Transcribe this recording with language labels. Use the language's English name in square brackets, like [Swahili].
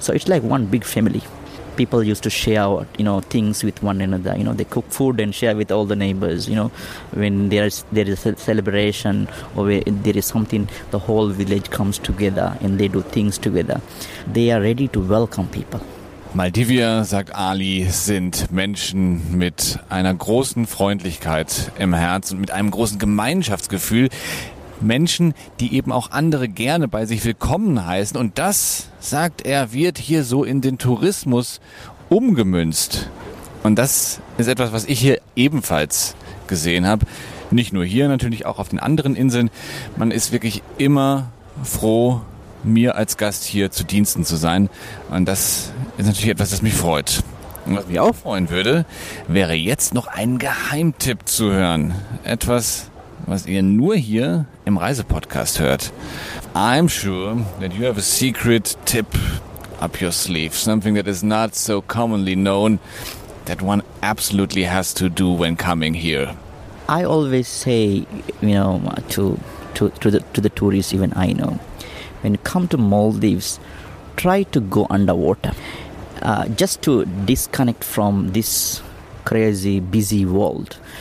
[English] So it's like one big family. People used to share, you know, things with one another. You know, they cook food and share with all the neighbors. You know, when there is a celebration or there is something, the whole village comes together and they do things together. They are ready to welcome people. [German] Maldivier, sagt Ali, sind Menschen mit einer großen Freundlichkeit im Herz und mit einem großen Gemeinschaftsgefühl. Menschen, die eben auch andere gerne bei sich willkommen heißen. Und das, sagt er, wird hier so in den Tourismus umgemünzt. Und das ist etwas, was ich hier ebenfalls gesehen habe. Nicht nur hier, natürlich auch auf den anderen Inseln. Man ist wirklich immer froh, mir als Gast hier zu Diensten zu sein. Und das ist natürlich etwas, das mich freut. Und was mich auch freuen würde, wäre jetzt noch einen Geheimtipp zu hören. Etwas, was ihr nur hier im Reisepodcast hört. [English] I'm sure that you have a secret tip up your sleeve, something that is not so commonly known, that one absolutely has to do when coming here. I always say, you know, to the tourists, even I know, when you come to Maldives, try to go underwater, just to disconnect from this crazy busy world.